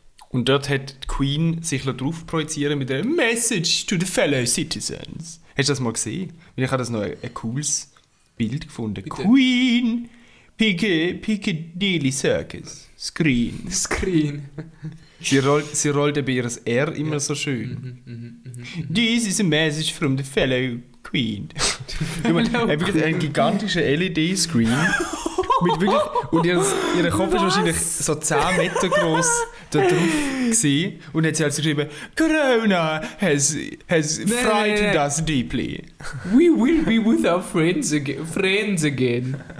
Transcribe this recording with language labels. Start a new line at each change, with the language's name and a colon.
German: Und dort hat die Queen sich drauf projizieren mit einer
English: Message to the fellow citizens.
German: Hast du das mal gesehen? Weil ich habe das noch ein cooles Bild gefunden. Bitte. Queen Piccadilly Circus Screen. Screen. sie rollt aber ihr R immer so schön.
English: This is a message from the fellow Queen.
German: Ein gigantischer LED-Screen. Mit wirklich, und ihr Kopf war wahrscheinlich so 10 Meter gross da drauf gewesen, und hat sie halt geschrieben,
English: Corona has frightened us deeply. We will be with our friends again.